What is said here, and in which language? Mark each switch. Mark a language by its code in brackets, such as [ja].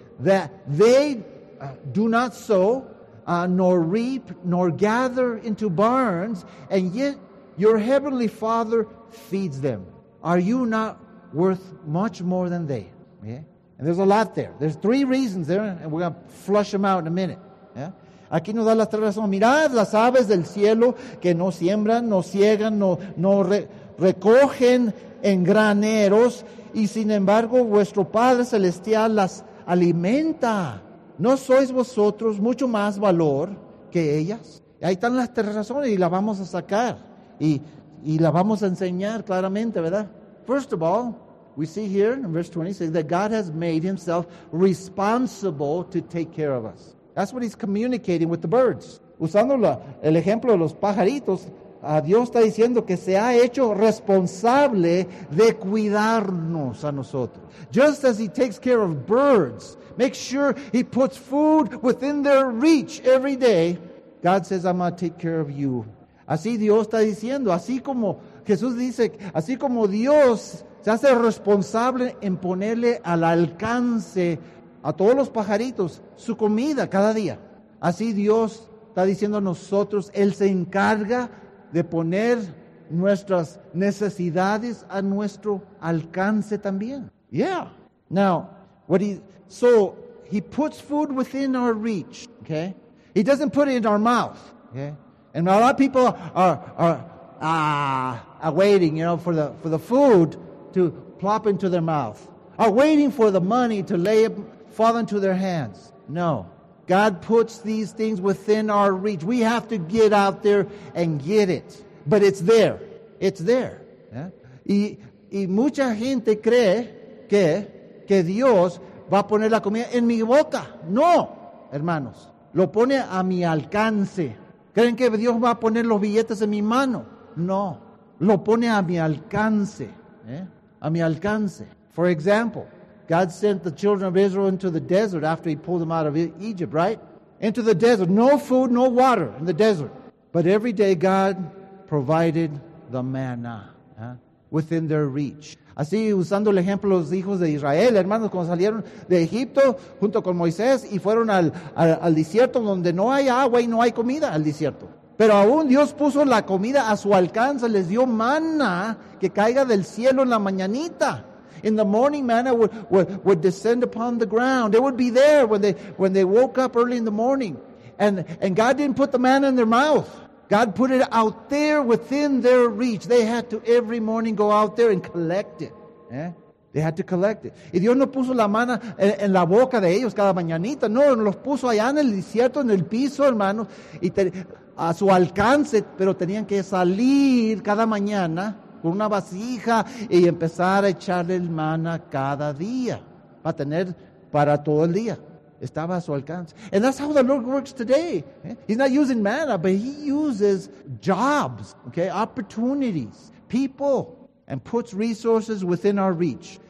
[en] That they do not sow, nor reap, nor gather into barns, and yet your heavenly Father feeds them. Are you not worth much more than they? Yeah. And there's a lot there. There's three reasons there, and we're going to flush them out in a minute. Yeah. [es] Aquí nos da las tres razones. Mirad las aves del cielo que no siembran, no ciegan, no recogen en graneros, y sin embargo vuestro Padre Celestial las alimenta. ¿No sois vosotros mucho más valor que ellas? Ahí están las tres razones y las vamos a sacar y las vamos a enseñar claramente, ¿verdad? [en] First of all, we see here in verse 26 that God has made himself responsible to take care of us. That's what he's communicating with the birds. [es] Usando el ejemplo de los pajaritos, a Dios está diciendo que se ha hecho responsable de cuidarnos a nosotros. [en] Just as he takes care of birds, makes sure he puts food within their reach every day, God says, I'm going to take care of you. [es] Así Dios está diciendo, así como Jesús dice, así como Dios se hace responsable en ponerle al alcance a todos los pajaritos su comida cada día. Así Dios está diciendo a nosotros, Él se encarga de poner nuestras necesidades a nuestro alcance también. [en] Yeah. Now, he puts food within our reach, okay? He doesn't put it in our mouth, okay? And a lot of people are waiting, you know, for the food to plop into their mouth, are waiting for the money to fall into their hands. No. God puts these things within our reach. We have to get out there and get it. But it's there. It's there. Yeah? [es] Y mucha gente cree que Dios va a poner la comida en mi boca. No, hermanos. Lo pone a mi alcance. ¿Creen que Dios va a poner los billetes en mi mano? No. Lo pone a mi alcance. A mi alcance. [en] For example, God sent the children of Israel into the desert after he pulled them out of Egypt, right? Into the desert. No food, no water in the desert. But every day God provided the manna within their reach. [es] Así, usando el ejemplo de los hijos de Israel, hermanos, cuando salieron de Egipto junto con Moisés y fueron al desierto donde no hay agua y no hay comida, al desierto. Pero aún Dios puso la comida a su alcance, les dio manna que caiga del cielo en la mañanita. [en] In the morning, manna would descend upon the ground. It would be there when they woke up early in the morning. And God didn't put the manna in their mouth. God put it out there within their reach. They had to every morning go out there and collect it. They had to collect it. [es] Y Dios no puso la manna en la boca de ellos cada mañanita. No, los puso allá en el desierto, en el piso, hermanos, y a su alcance, pero tenían que salir cada mañana con una vasija y empezar a echarle el maná cada día para tener para todo el día. Estaba a su alcance. [en] And that's how the Lord works today. He's not using manna, but he uses jobs, okay, opportunities, people, and puts resources within our reach.